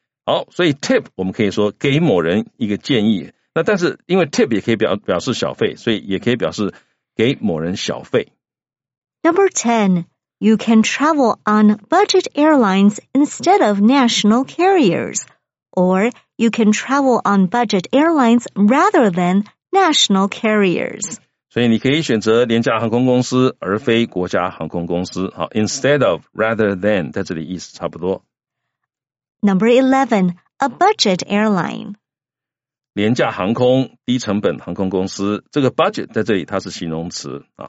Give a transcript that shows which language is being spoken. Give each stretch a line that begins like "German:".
Chinese: 好，所以 tip 我们可以说给某人一个建议。那但是因为 tip 也可以表示小费，所以也可以表示给某人小费。
English: Number ten, you can travel on budget airlines instead of national carriers, or you can travel on budget airlines rather than national carriers.
Chinese: 所以你可以选择廉价航空公司而非国家航空公司。好 ,instead of, rather than, 在这里意思差不多。
English: Number 11, a budget airline.
Chinese: 廉价航空低成本航空公司。这个 budget 在这里它是形容词。